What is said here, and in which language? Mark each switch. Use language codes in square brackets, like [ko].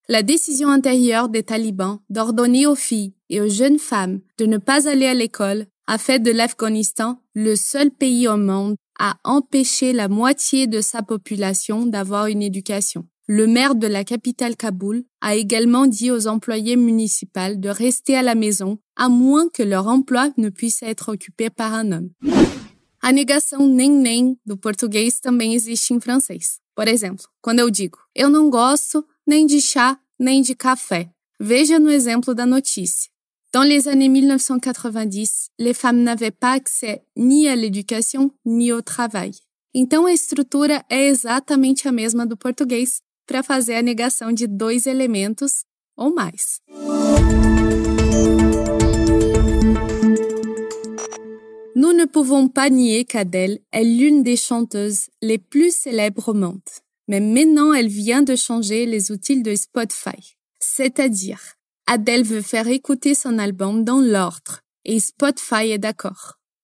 [fr] La décision intérieure des talibans d'ordonner aux filles et aux jeunes femmes de ne pas aller à l'école a fait de l'Afghanistan le seul pays au monde à empêcher la moitié de sa population d'avoir une éducation. Le maire de la capitale Kaboul a également dit aux employés municipaux de rester à la maison à moins que leur emploi ne puisse être occupé par un homme. [pt] A negação nem nem do português também existe em francês. Por exemplo, quando eu digo, eu não gosto nem de chá nem de café. Veja no exemplo da notícia. [fr] Dans les années 1990, les femmes n'avaient pas accès ni à l'éducation ni au travail. [pt] Então, a estrutura é exatamente a mesma do português para fazer a negação de dois elementos ou mais. [fr] Nous ne pouvons pas nier qu'Adèle est l'une des chanteuses les plus célèbres au monde. Mais maintenant, elle vient de changer les outils de Spotify. C'est-à-dire, Adèle veut faire écouter son album dans l'ordre et Spotify est d'accord.